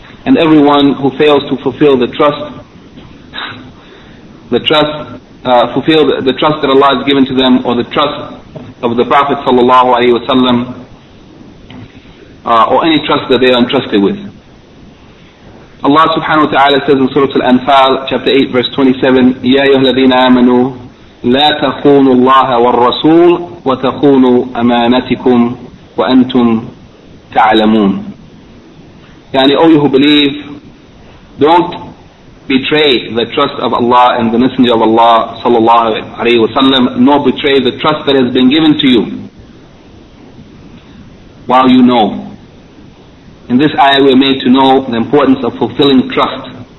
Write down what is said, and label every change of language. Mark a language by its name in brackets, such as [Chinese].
[English] And everyone who fails to fulfill the trust that Allah has given to them, or the trust of the Prophet sallallahu alaihi wasallam, or any trust that they are entrusted with. Allah subhanahu wa ta'ala says in Surah Al-Anfal, chapter 8, verse 27, [Arabic] يَا أَيُّهَا الَّذِينَ آمَنُوا لَا تَخُونُوا اللَّهَ وَالرَّسُولُ وَتَخُونُوا أَمَانَتِكُمْ وَأَنْتُمْ تَعْلَمُونَ. [English] يعني all you who believe, don't betray the trust of Allah and the Messenger of Allah [Arabic] صلى الله عليه وسلم, [English] nor betray the trust that has been given to you while you know. In this ayah we are made to know the importance of fulfilling trust.